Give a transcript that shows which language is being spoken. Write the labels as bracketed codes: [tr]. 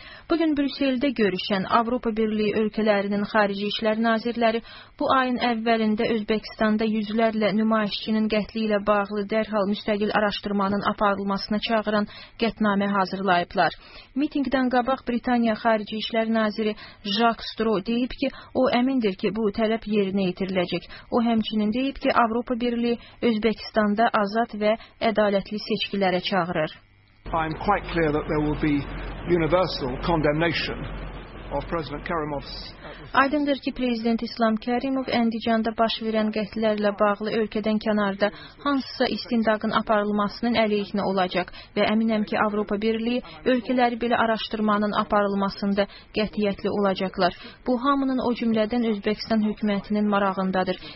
[az] Bugün Brüsseldə görüşən Avropa Birliyi ölkələrinin xarici işlər nazirləri bu ayın əvvəlində Özbəkistanda yüzlərlə nümayişçinin qətli ilə bağlı dərhal müstəqil araşdırmanın aparılmasına çağıran qətnamə hazırlayıblar. Mitingdən qabaq Britaniya xarici işlər naziri Jack Straw deyib ki, o əmindir ki, bu tələb yerinə yetiriləcək. O həmçinin deyib ki, Avropa Birliyi Özbəkistanda azad və ədalətli seçkilərə çağırır. [en] I'm quite clear that there will be universal condemnation of President Karimov's [az] Aydındır ki, Prezident İslam Kərimov Əndicanda baş verən qətlərlə bağlı ölkədən kənarda hansısa istindaqın aparılmasının əleyhinə olacaq və əminəm ki, Avropa Birliyi ölkələri belə araşdırmanın aparılmasında qətiyyətli olacaqlar. Bu, hamının o cümlədən Özbəkistan hökumətinin marağındadır.